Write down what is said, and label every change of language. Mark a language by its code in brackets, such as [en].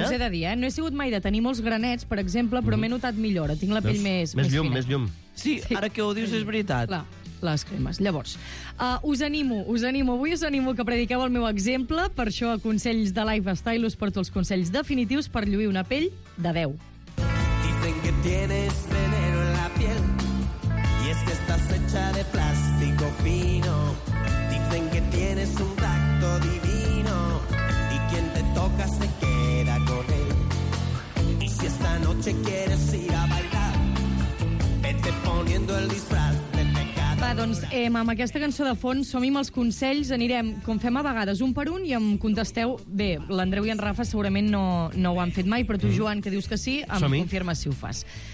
[ca] us he de dir, no he sigut mai de tenir molts granets, per exemple, però m'he notat millora, tinc la pell més llum, fina. Més llum. Sí, ara que ho dius és veritat. Clar, les cremes. Llavors, us animo que prediqueu el meu exemple, per això a Consells de Lifestyle us porto els consells definitius per lluir una pell de 10. [es] Dicen que tienes veneno en la piel. Es que estás hecha de plástico fino. Dicen que tienes un tacto divino. Y quien te toca se queda con él. Y si esta noche quieres ir a bailar, vete poniendo el disfraz de pecado. [ca] Va, doncs, amb aquesta cançó de fons, som-hi amb els consells, anirem, com fem a vegades, un per un, i em contesteu... Bé, l'Andreu i en Rafa segurament no ho han fet mai, però tu, Joan, que dius que sí, em confirmes si ho fas.